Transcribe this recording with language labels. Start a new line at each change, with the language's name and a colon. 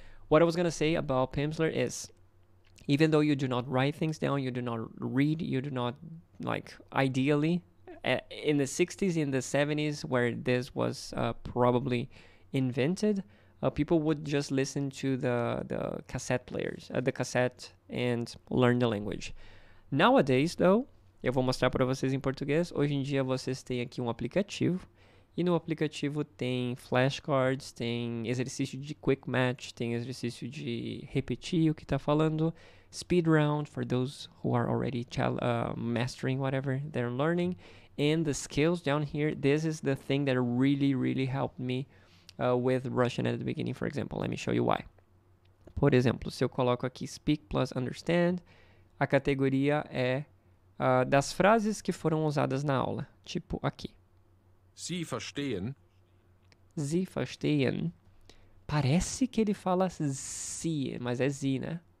English: What I was going to say about Pimsleur is, even though you do not write things down, you do not read, you do not, like, ideally, in the 60s, in the 70s, where this was probably invented, people would just listen to the cassette players, the cassette, and learn the language. Nowadays, though,
Portuguese: eu vou mostrar para vocês em português. Hoje em dia, vocês têm aqui um aplicativo. E no aplicativo tem flashcards, tem exercício de quick match, tem exercício de repetir o que está falando.
English: Speed round, for those who are already mastering whatever they're learning. And the skills down here, this is the thing that really, really helped me with Russian at the beginning, for example. Let me show you why.
Portuguese: Por exemplo, se eu coloco aqui speak plus understand, a categoria é das frases que foram usadas na aula. Tipo, aqui.
German: Sie verstehen.
Portuguese: Parece que ele fala sie, mas é sie, né?